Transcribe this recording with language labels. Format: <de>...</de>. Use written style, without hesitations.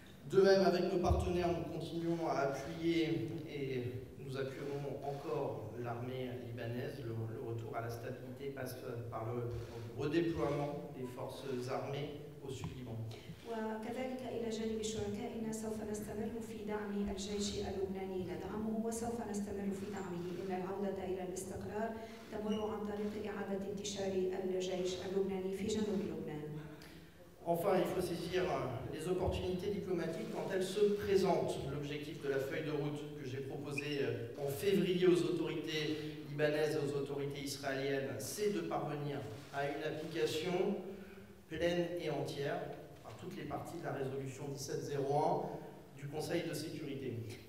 <fr>De même avec nos partenaires, nous continuons à appuyer et nous appuierons encore l'armée libanaise. Le retour à la stabilité passe par le redéploiement des forces armées au sud Liban.</fr> <ar>وكذلك إلى جانب شركائنا سوف نستمر في دعم الجيش اللبناني ندعمه وسوف نستمر في دعمه إن العودة إلى الاستقرار تمر عن طريق إعادة انتشار الجيش اللبناني في جنوب لبنان.</ar> <fr>Enfin, il faut saisir les opportunités diplomatiques quand elles se présentent. L'objectif de la feuille de route que j'ai proposée en février aux autorités libanaises et aux autorités israéliennes, c'est de parvenir à une application pleine et entière par toutes les parties de la résolution 1701 du Conseil de sécurité.</fr>